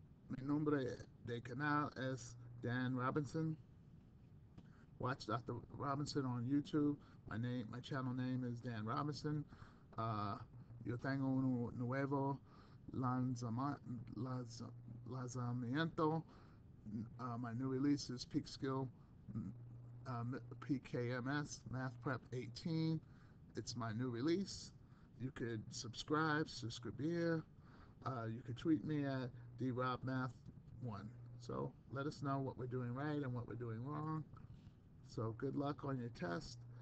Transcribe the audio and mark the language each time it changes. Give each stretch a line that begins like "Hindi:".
Spanish: Mi nombre de canal es Dan Robinson.
English: Watch Dr. Robinson on YouTube. My channel name is Dan Robinson.
Spanish: Yo tengo un nuevo lanzamiento.
English: My new release is Peak Skill, PKMS, Math Prep 18. It's my new release. You could subscribe, suscribir. You could tweet me at drobmath1. So let us know what we're doing right and what we're doing wrong. So good luck on your test.